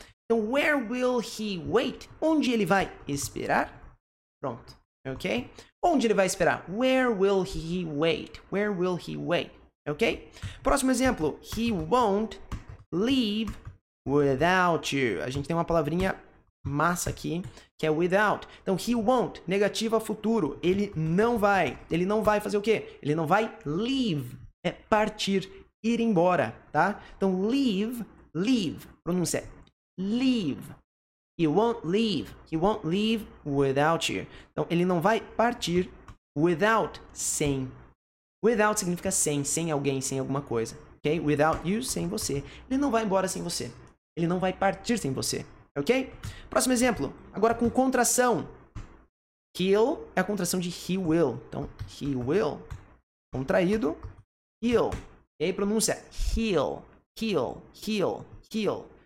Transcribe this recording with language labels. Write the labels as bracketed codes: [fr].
[en] Então, where will he wait? [pt] Onde ele vai esperar? Pronto, ok? Onde ele vai esperar? [en] Where will he wait? Where will he wait? Ok? [pt] Próximo exemplo. [en] He won't leave without you. [pt] A gente tem uma palavrinha massa aqui, que é without. Então, [en] he won't. [pt] Negativa futuro. Ele não vai. Ele não vai fazer o quê? Ele não vai leave. É partir, ir embora, tá? [en] Então, leave, leave. [pt] Pronúncia é [en] leave. He won't leave. He won't leave without you. [pt] Então, ele não vai partir without, sem. Without significa sem, sem alguém, sem alguma coisa, ok? [en] Without you, [pt] sem você. Ele não vai embora sem você. Ele não vai partir sem você, ok? Próximo exemplo, agora com contração. He'll é a contração de [en] he will. Então, he will, contraído, he'll. [pt] E aí, pronúncia, [en] he'll, he'll, he'll, he'll.